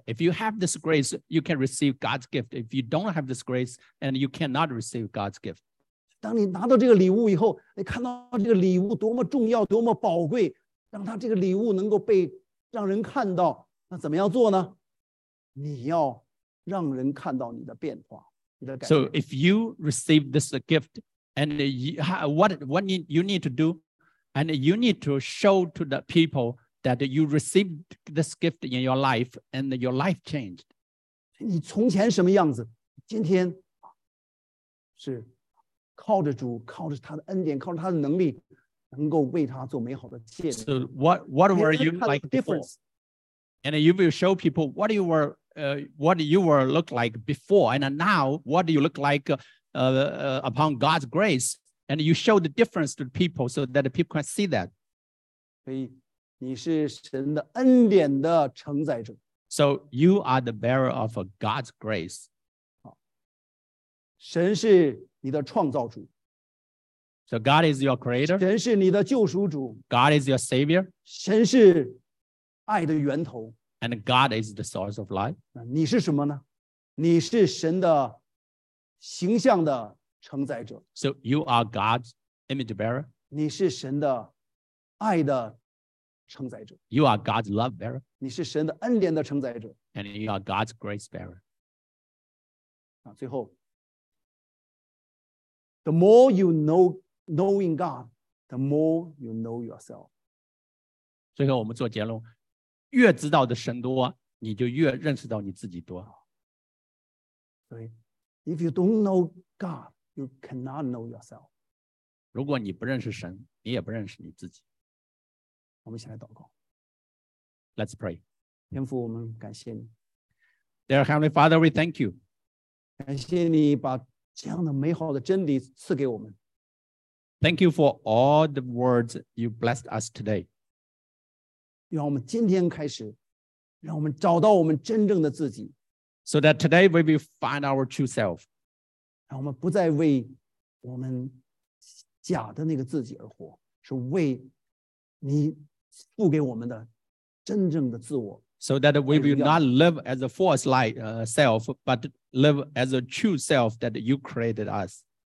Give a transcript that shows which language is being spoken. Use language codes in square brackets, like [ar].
[en] If you have this grace, you can receive God's gift. If you don't have this grace, and you cannot receive God's gift. [zh] 当你拿到这个礼物以后，你看到这个礼物多么重要，多么宝贵，让他这个礼物能够被让人看到，那怎么样做呢？你要让人看到你的变化，你的改变。 [en] So if you receive this gift, and what you need to do, and you need to show to the people. That you received this gift in your life and your life changed. [zh] 你从前什么样子？今天是靠着主，靠着他的恩典，靠着他的能力，能够为他做美好的见证。 [en] So what were you like before? And you will show people what you were, look like before, and now what do you look like, upon God's grace? And you show the difference to the people so that the people can see that. [zh] 可以。你是神的恩典的承载者。 [en] So you are the bearer of God's grace. [zh] 神是你的创造主。 [en] So God is your creator. [zh] 神是你的救赎主。 [en] God is your savior. [zh] 神是爱的源头。 [en] And God is the source of life. [zh] 你是什么呢？你是神的形象的承载者。 [en] So you are God's image bearer. [zh] 你是神的爱的 [en] You are God's love bearer. [zh] 你是神的恩典的承载者。 [en] And you are God's grace bearer. [zh] 啊，最后 [en] ，the more you know knowing God, the more you know yourself. [zh] 最后我们做结论，越知道的神多，你就越认识到你自己多。所以 [en] ，if you don't know God, you cannot know yourself. [zh] 如果你不认识神，你也不认识你自己。我们先来祷告。 [en] Let's pray. [zh] 天父，我们感谢你。 [en] Dear Heavenly Father, we thank you. [zh] 感谢你把这样的美好的真理赐给我们。 [en] Thank you for all the words you blessed us today. [zh] 让我们今天开始，让我们找到我们真正的自己。 [en] So that today we will find our true self. [zh] 让我们不再为我们假的那个自己而活，是为你付给我们的真正的自我。 [en] So that we will not live as a false light, self, but live as a true self that you created us.